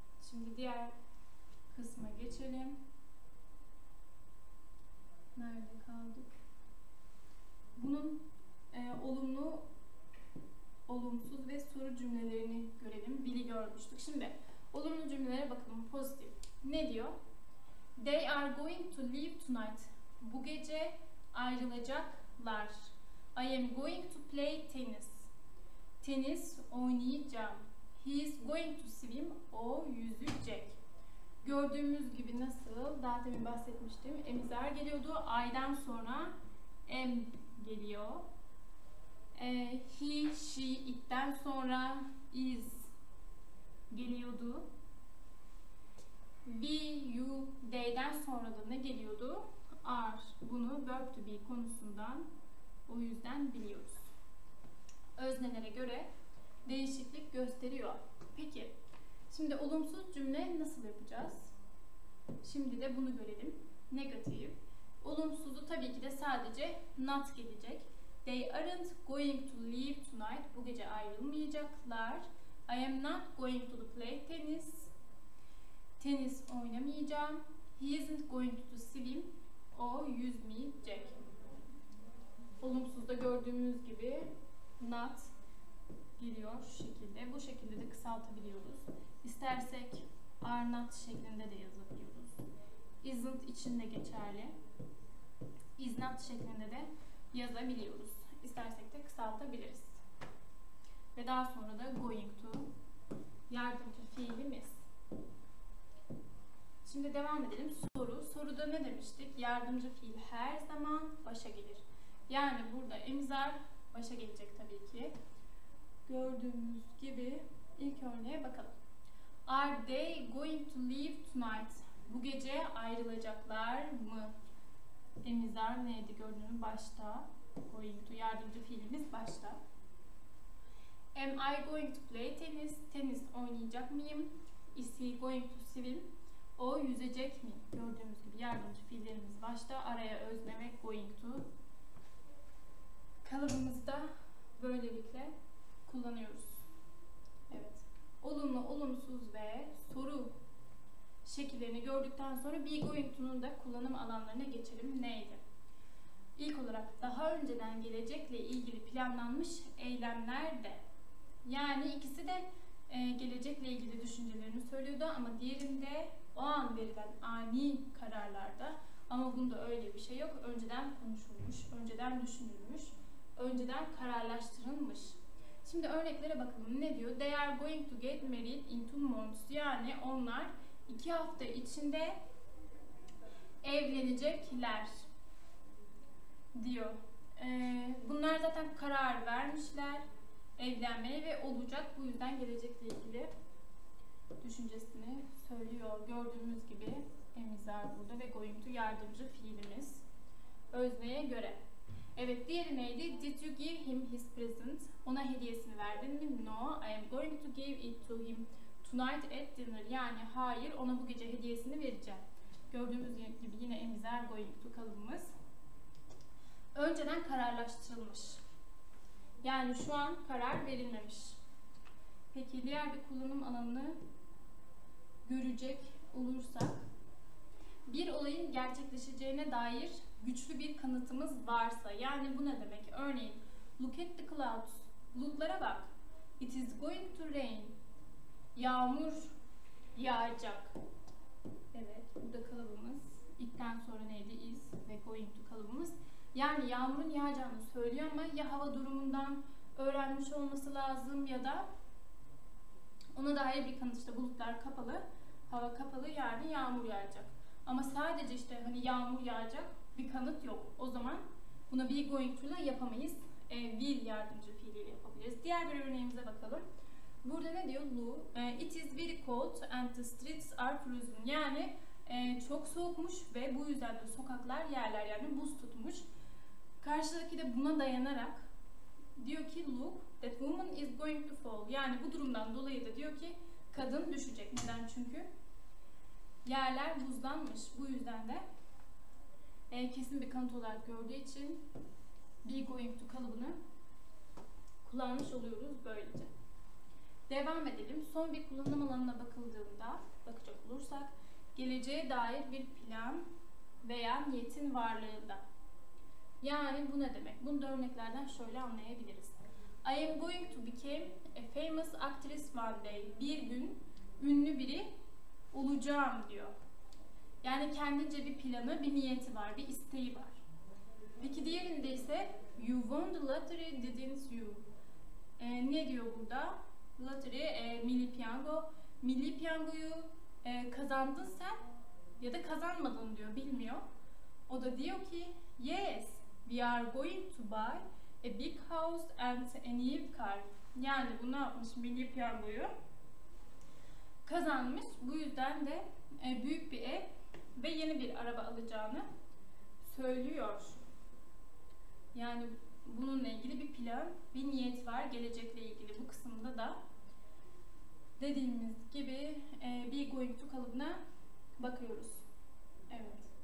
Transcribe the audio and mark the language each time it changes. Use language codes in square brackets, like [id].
[tr] Şimdi diğer kısma geçelim. Nerede kaldık? Bunun olumlu, olumsuz ve soru cümlelerini görelim. Will'i görmüştük. Şimdi olumlu cümlelere bakalım. Pozitif. Ne diyor? [en] They are going to leave tonight. [tr] Bu gece ayrılacaklar. [en] I am going to play tennis. [tr] Tenis oynayacağım. [en] He is going to swim. [tr] O yüzecek. Gördüğümüz gibi nasıl? Daha demin bahsetmiştim. Am'i zar geliyordu. I'dan sonra am geliyor. He, she, it'ten sonra is geliyordu. We, you, they'den sonra da ne geliyordu? Are. Bunu verb to be konusundan o yüzden biliyoruz. Öznelere göre değişiklik gösteriyor. Peki, şimdi olumsuz cümle nasıl yapacağız? Şimdi de bunu görelim. Negatif. Olumsuzu tabii ki de sadece not gelecek. [en] They aren't going to leave tonight. [tr] Bu gece ayrılmayacaklar. [en] I am not going to play tennis. [tr] Tenis oynamayacağım. [en] He isn't going to swim. [tr] O yüzmeyecek. Olumsuzda gördüğümüz gibi not geliyor şu şekilde. Bu şekilde de kısaltabiliyoruz. İstersek are not şeklinde de yazabiliyoruz. Isn't için de geçerli. Is not şeklinde de yazabiliyoruz. İstersek de kısaltabiliriz. Ve daha sonra da going to yardımcı fiilimiz. Şimdi devam edelim. Soru. Soruda ne demiştik? Yardımcı fiil her zaman başa gelir. Yani burada imzar başa gelecek tabii ki. Gördüğümüz gibi ilk örneğe bakalım. [en] Are they going to leave tonight? [tr] Bu gece ayrılacaklar mı? Emizar neydi gördüğünüz başta? Going to yardımcı fiilimiz başta. [en] Am I going to play tennis? [tr] Tenis oynayacak mıyım? [en] Is he going to swim? [tr] O yüzecek mi? Gördüğümüz gibi yardımcı fiillerimiz başta. Araya özne ve going to kalıbımızda böylelikle kullanıyoruz. Evet. Olumlu, olumsuz ve soru şekillerini gördükten sonra be going to'nun da kullanım alanlarına geçelim. Neydi? İlk olarak daha önceden gelecekle ilgili planlanmış eylemlerde. Yani ikisi de gelecekle ilgili düşüncelerini söylüyordu ama diğerinde o an verilen ani kararlarda. Ama bunda öyle bir şey yok. Önceden konuşulmuş, önceden düşünülmüş, önceden kararlaştırılmış. Şimdi örneklere bakalım. Ne diyor? [en] They are going to get married in 2 months. [tr] Yani onlar 2 hafta içinde evlenecekler diyor. Bunlar zaten karar vermişler evlenmeye ve olacak. Bu yüzden gelecekle ilgili düşüncesini söylüyor. Gördüğümüz gibi emizar burada ve going to yardımcı fiilimiz özneye göre. Evet, diğeri neydi? [en] Did you give him his present? [tr] Ona hediyesini verdin mi? [en] No, I am going to give it to him tonight at dinner. [tr] Yani hayır, ona bu gece hediyesini vereceğim. Gördüğümüz gibi yine emizar going to kalıbımız. Önceden kararlaştırılmış. Yani şu an karar verilmemiş. Peki diğer bir kullanım alanını görecek olursak. Bir olayın gerçekleşeceğine dair güçlü bir kanıtımız varsa. Yani bu ne demek? Örneğin, [en] look at the clouds. [tr] Bulutlara bak. [en] It is going to rain. [tr] Yağmur yağacak. Evet, burada kalıbımız. İlkten sonra neydi? Is ve going to kalıbımız. Yani yağmurun yağacağını söylüyor ama ya hava durumundan öğrenmiş olması lazım ya da ona dair bir kanıt. İşte bulutlar kapalı, hava kapalı, yani yağmur yağacak. Ama sadece işte hani yağmur yağacak bir kanıt yok. O zaman buna be going to ile yapamayız. Will yardımcı fiiliyle yapabiliriz. Diğer bir örneğimize bakalım. Burada ne diyor? [en] It is very cold and the streets are frozen. [tr] Yani çok soğukmuş ve bu yüzden de sokaklar yerler yani buz tutmuş. Karşıdaki de buna dayanarak diyor ki [en] look that woman is going to fall. [tr] Yani bu durumdan dolayı da diyor ki kadın düşecek. Neden? Çünkü yerler buzlanmış. Bu yüzden de kesin bir kanıt olarak gördüğü için be going to kalıbını kullanmış oluyoruz böylece. Devam edelim. Son bir kullanım alanına bakıldığında bakacak olursak geleceğe dair bir plan veya niyetin varlığında. Yani bu ne demek? Bunu da örneklerden şöyle anlayabiliriz. [en] I am going to become a famous actress one day. [tr] Bir gün ünlü biri olacağım diyor. Yani kendince bir planı, bir niyeti var, bir isteği var. Peki diğerinde ise [en] you won the lottery, didn't you? [tr] Ne diyor burada? Lottery, milli piyango. Milli piyangoyu kazandın sen ya da kazanmadın diyor, bilmiyor. O da diyor ki [en] yes, we are going to buy a big house and a new car. [tr] Yani bunu yapmış milli piyangoyu. Kazanmış. Bu yüzden de büyük bir ev ve yeni bir araba alacağını söylüyor. Yani bununla ilgili bir plan, bir niyet var. Gelecekle ilgili bu kısımda da dediğimiz gibi be going to kalıbına bakıyoruz. Evet.